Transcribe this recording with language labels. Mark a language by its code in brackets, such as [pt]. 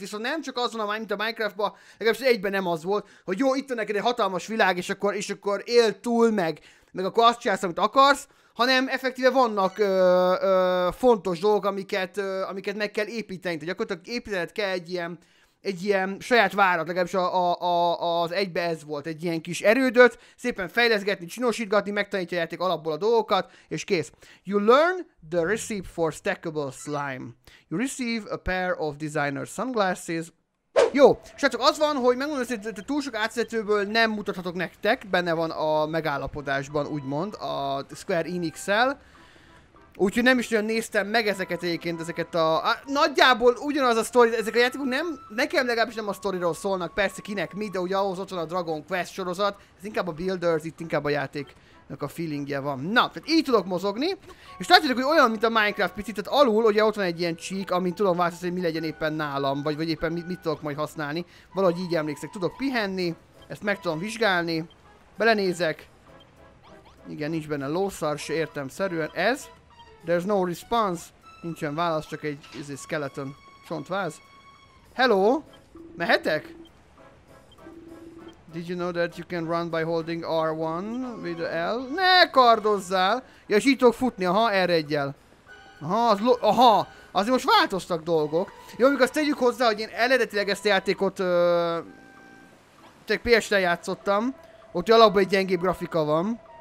[hu] Viszont nem csak azon, mint a Minecraftban, legalábbis egyben nem az volt, hogy jó, itt van neked egy hatalmas világ, és akkor él túl meg akkor azt csinálsz, amit akarsz, hanem effektíve vannak fontos dolgok, amiket meg kell építeni. Tehát gyakorlatilag építened kell egy ilyen saját várat, legalábbis az egybe ez volt, egy ilyen kis erődöt, szépen fejleszgetni, csinosítgatni, megtanítja a játék alapból a dolgokat, és kész. [en] You learn the recipe for stackable slime. You receive a pair of designer sunglasses. [hu] Jó, srácok, az van, hogy megmondom, hogy túl sok átszetőből nem mutathatok nektek, benne van a megállapodásban, úgymond, a Square Enix-el. Úgyhogy nem is nagyon néztem meg ezeket egyébként, ezeket a... nagyjából ugyanaz a sztori, ezek a játékok nem... Nekem legalábbis nem a sztoriról szólnak, persze kinek mi, de ugye ahhoz ott van a Dragon Quest sorozat, ez inkább a Builders, itt inkább a játéknak a feelingje van. Na, tehát így tudok mozogni, és látjátok, hogy olyan, mint a Minecraft picit, tehát alul ugye ott van egy ilyen csík, amin tudom változni, hogy mi legyen éppen nálam, vagy éppen mit tudok majd használni. Valahogy így emlékszek, tudok pihenni, ezt meg tudom vizsgálni, belenézek. Igen, nincs benne lószar, se értelemszerűen ez. [en] There's no response. [hu] Nincsen válasz, csak egy skeleton csontváz. Hello? Mehetek? [en] Did you know that you can run by holding R1 with L? [hu] Ne kardozzál! Ja, és így tudok futni, aha, R1-jel. Aha, azért most változtak dolgok. Jó, amikor azt tegyük hozzá, hogy én eredetileg ezt a játékot... csak PS-re játszottam. Ott alapban egy gyengébb grafika van.